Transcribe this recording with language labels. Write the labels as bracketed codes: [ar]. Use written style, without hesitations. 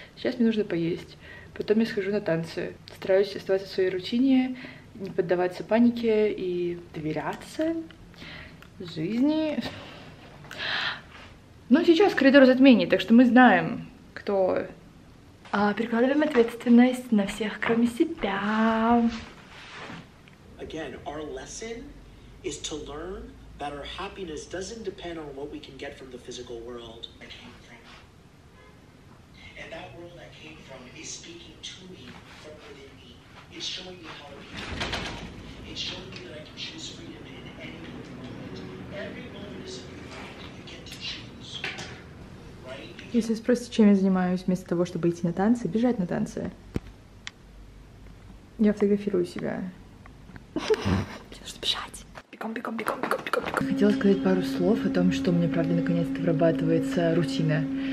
[ru] Сейчас мне нужно поесть. Потом я схожу на танцы, стараюсь оставаться в своей рутине, не поддаваться панике и доверяться жизни. Но сейчас коридор затмений, так что мы знаем, кто. Перекладываем ответственность на всех, кроме себя. [en] Again, our lesson is to learn that our happiness doesn't depend on what we can get from the physical world. And that world I came from is speaking to me from within me. It's showing me how to be happy. It's showing me that I can choose freedom in any moment. Every moment is a new life. You get to choose. Right? [ru] Если спросите, чем я занимаюсь, вместо того, чтобы идти на танцы, бежать на танцы. Я фотографирую себя. Мне нужно бежать. Бегом, бегом, бегом, бегом, бегом, бегом. Хотела сказать пару слов о том, что у меня, правда, наконец-то вырабатывается рутина.